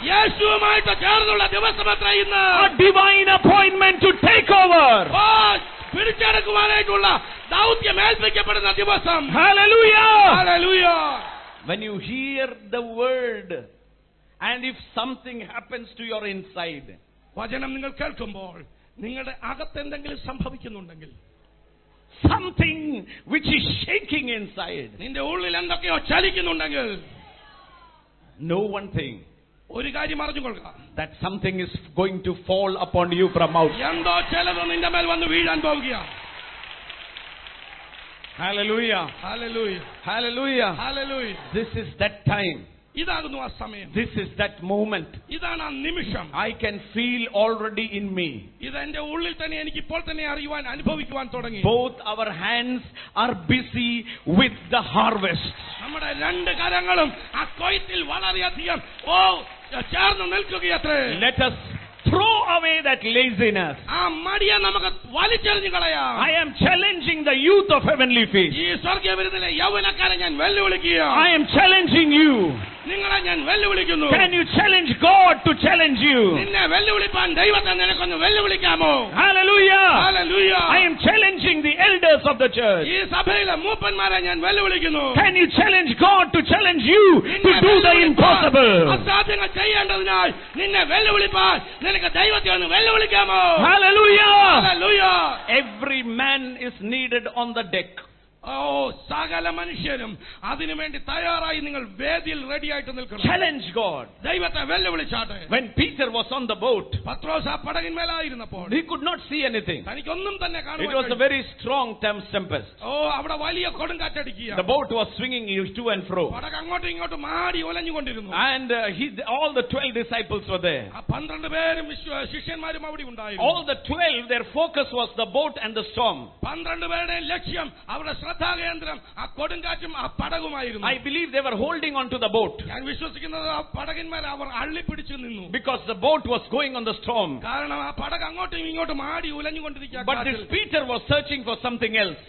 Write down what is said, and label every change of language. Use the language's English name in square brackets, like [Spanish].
[Malayalam] യേശുവുമായിട്ട് ചേർന്നുള്ള ദിവസമത്രേ ഇന്ന്. [English] A divine appointment to take over. [Malayalam] പിടിച്ചെടുക്കുവാനായിട്ടുള്ള ദൗത്യം ഏൽപ്പിക്കപ്പെടുന്ന ദിവസം. [English] Hallelujah. Hallelujah. When you hear the word and if something happens to your inside. [Malayalam] വചനം നിങ്ങൾ കേൾക്കുമ്പോൾ നിങ്ങളുടെ അകത്ത് എന്തെങ്കിലും സംഭവിക്കുന്നുണ്ടെങ്കിൽ. [English] Something which is shaking inside. [Malayalam] നിന്റെ ഉള്ളിൽ എന്തൊക്കെയോ ചലിക്കുന്നുണ്ടെങ്കിൽ. [English] Know one thing. [Malayalam] ഒരു കാര്യം അറിഞ്ഞുകൊള്ളുക. [English] That something is going to fall upon you from out. [Malayalam] എന്തോ ചിലത് നിന്റെ മേൽ വന്ന് വീഴാൻ പോവുകയാണ്. [English] Hallelujah. Hallelujah. Hallelujah. Hallelujah. This is that time. [Malayalam] ഇതാകുന്നു ആ സമയം. [English] This is that moment. [Malayalam] ഇതാണ് ആ നിമിഷം. [English] I can feel already in me. [Malayalam] ഇത് എന്റെ ഉള്ളിൽ തന്നെ എനിക്ക് ഇപ്പോൾ തന്നെ അറിയുവാൻ അനുഭവിക്കുവാൻ തുടങ്ങി. [English] Both our hands are busy with the harvest. [Malayalam] നമ്മുടെ രണ്ട് കരങ്ങളും ആ കൊയ്ത്തിൽ വളരെയധികം ഓ ചേർന്ന് നിൽക്കുകയത്രേ. [English] Let us throw away that laziness. [Malayalam] ആ മടിയെ നമുക്ക് വലിച്ചെറിഞ്ഞു കളയാം. [English] I am challenging the youth of heavenly feast. [Malayalam] ഈ സ്വർഗ്ഗവിരുന്നിലെ യൗവനക്കാരെ ഞാൻ വെല്ലുവിളിക്കുകയാണ്. [English] I am challenging you. [Malayalam] നിങ്ങളെ ഞാൻ വെല്ലുവിളിക്കുന്നു. [English] Can you challenge God to challenge you? [Malayalam] നിന്നെ വെല്ലുവിളിപ്പാൻ ദൈവത്തെ നിനക്കൊന്ന് വെല്ലുവിളിക്കാമോ? [English] Hallelujah. Hallelujah. I am challenging the elders of the church. [Malayalam] ഈ സഭയിലെ മൂപ്പന്മാരെ ഞാൻ വെല്ലുവിളിക്കുന്നു. [English] Can you challenge God to challenge you to do the impossible? [Malayalam] അസാധ്യങ്ങൾ ചെയ്യേണ്ടതിനായി നിന്നെ വെല്ലുവിളിപ്പാൻ നിനക്ക് ദൈവത്തെ ഒന്ന് വെല്ലുവിളിക്കാമോ? [English] Hallelujah. Hallelujah. Every man is needed on the deck. [Malayalam] സകല മനുഷ്യരും അതിനുവേണ്ടി തയ്യാറായി നിങ്ങൾ വേദിയിൽ റെഡി ആയിട്ട് നിൽക്കണം. [English] Challenge God. [Malayalam] ദൈവത്തെ വെല്ലുവിളിച്ചാട്ടെ. [English] When Peter was on the boat. [Malayalam] പത്രോസ് ആ പടകിന്മേലായിരുന്നപ്പോൾ. [English] He could not see anything. [Malayalam] തനിക്കൊന്നും തന്നെ കാണാൻ. [English] It was a very strong tempest. [Malayalam] അവിടെ വലിയ കൊടുങ്കാറ്റടിക്കുക. [English] The boat was swinging to and fro. [Malayalam] പടക് അങ്ങോട്ടും ഇങ്ങോട്ടും മാടി ഉലഞ്ഞുകൊണ്ടിരുന്നു. [English] And all the 12 disciples were there. [Malayalam] ആ 12 പേരും ശിഷ്യന്മാരും അവിടെ ഉണ്ടായിരുന്നു. [English] All the 12, their focus was the boat and the storm. [Malayalam] 12 പേരുടെ ലക്ഷ്യം അവരുടെ ശ്രദ്ധാകേന്ദ്രം ആ കൊടുങ്കാറ്റും ആ പടകുമായിരുന്നു. [English] I believe they were holding on to the boat. [Malayalam] ഞാൻ വിശ്വസിക്കുന്നത് ആ പടകിന്മാർ അവർ അള്ളിപ്പിടിച്ചു നിന്നു. [English] Because the boat was going on the storm. [Malayalam] കാരണം ആ പടക് അങ്ങോട്ടും ഇങ്ങോട്ടും ആടി ഉലഞ്ഞുകൊണ്ടിരിക്കുക. [English] But this Peter was searching for something else.